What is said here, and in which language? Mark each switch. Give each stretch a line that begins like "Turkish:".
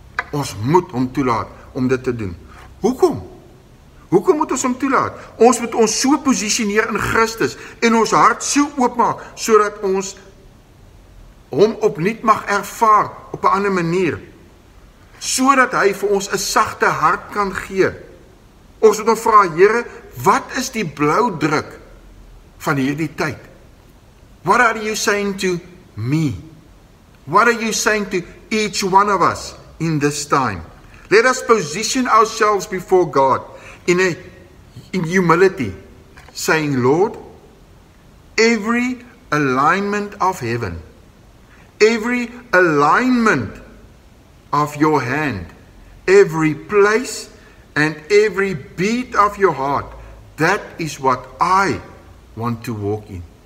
Afrikaans: Ons moet hom toelaat om dit te doen. Hoekom? Hoekom moet ons hom toelaat? Ons moet ons so positioneer in Christus en ons hart so oopmaak sodat ons hom opnuut mag ervaar op 'n ander manier. Sodat hy vir ons 'n sagte hart kan gee. Ons moet hom vra, Here, wat is die blou druk van hierdie tyd?
English: What are you saying to me? What are you saying to each one of us in this time? Let us position ourselves before God in humility, saying, Lord, every alignment of heaven, every alignment of your hand, every place and every beat of your heart, that is what I want to walk in.